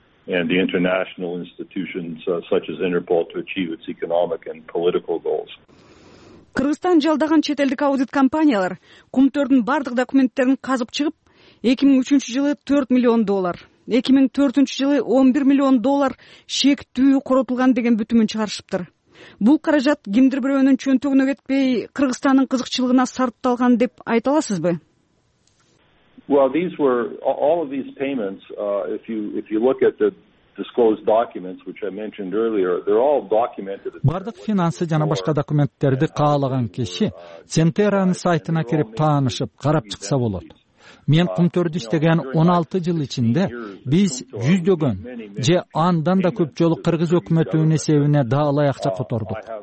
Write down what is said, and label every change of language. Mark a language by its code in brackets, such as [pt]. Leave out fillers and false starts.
[en] And the international institutions such as Interpol to achieve its economic and political goals. [ky] Кыргызстан жалдаган чет элдик аудит компаниялар Кумтордун бардык документтерин казып чыгып, 2003 жылы 4 миллион доллар, 2004 жылы 11 миллион доллар шектүү коротулган деген бүтүмүн чыгарышыптыр. Бул каражат кимдир бирөөнүн чөнтөгүнө кетпей, Кыргызстандын кызыкчылыгына сарпталган деп айта аласызбы? [en] Well, these were all of these payments if you look at the disclosed documents which I mentioned earlier, they're all documented. [ky] Бардык финансы жана башка документтерди каалаган киши Центеранын сайтына кирип таанышып карап чыкса болот. Мен Кумтордо иштеген 16 жыл ичинде биз жүздөгөн же андан да көп жолу кыргыз өкмөтүнүн эсебине даалай акча котордук.